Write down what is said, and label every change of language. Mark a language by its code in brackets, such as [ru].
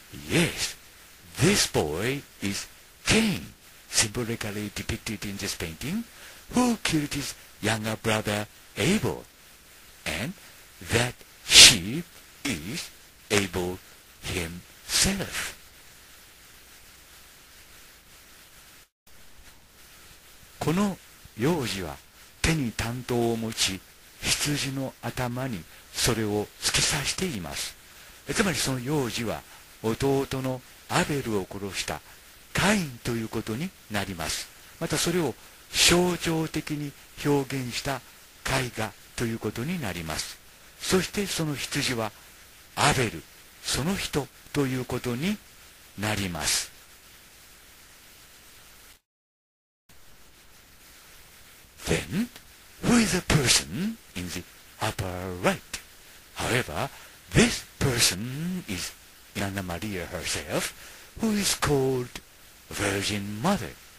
[en] Yes, this boy is Cain, symbolically depicted in this painting, who killed his younger brother Abel, and that he is Abel himself. [ja] この幼児は手に短刀を持ち、羊の頭にそれを突き刺しています。つまりその幼児は弟のアベルを殺したカインということになります。またそれを象徴的に表現した絵画ということになります。そしてその羊はアベル、その人ということになります。 [en] Then, who is a person in the upper right? However, this person is Anna Maria herself, who is called Virgin Mother.